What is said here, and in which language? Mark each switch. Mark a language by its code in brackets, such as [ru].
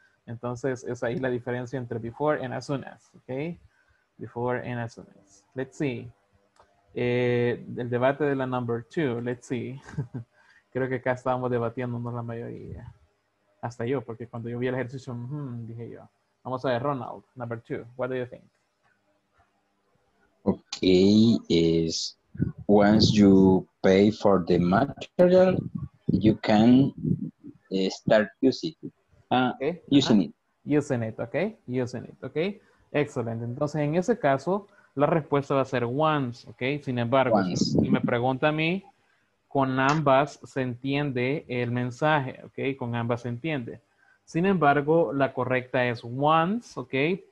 [es] Entonces, es ahí la diferencia entre before and as soon as, ¿ok? [en] Before and as soon as. Let's see. El debate de la number two, let's see. [es] Creo que acá estábamos debatiéndonos la mayoría. Hasta yo, porque cuando yo vi el ejercicio, dije yo. [en] Vamos a ver, Ronald, number two. What do you think? Okay, is once you pay for the material, you can start using it. Using it, okay. [es] Excelente. Entonces, en ese caso, la respuesta va a ser once, okay. Sin embargo, si me pregunta a mí, con ambas se entiende el mensaje, okay. Con ambas se entiende. Sin embargo, la correcta es once, okay.